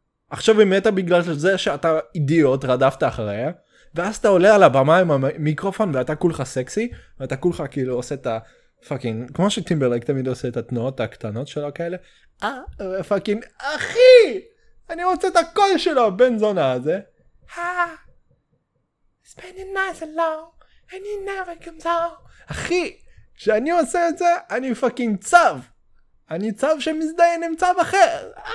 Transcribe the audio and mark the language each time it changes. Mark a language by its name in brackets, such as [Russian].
[Hebrew] עכשיו היא מתה בגלל זה שאתה אידיוט, רדפת אחריה, ואז אתה עולה על הבמה עם המיקרופון, ואתה כולך סקסי, ואתה כולך כאילו עושה את ה... פאקינג, כמו שטימברלייק תמיד עושה את התנועות הקטנות שלו כאלה, פאקינג, אחי! אני רוצה את הקול שלו, בן זונה הזה. [English] Spending nice alone, and he never comes out. [Hebrew] אחי, כשאני עושה את זה, אני פאקינג צב. אני צב שמזדיין עם צב אחר.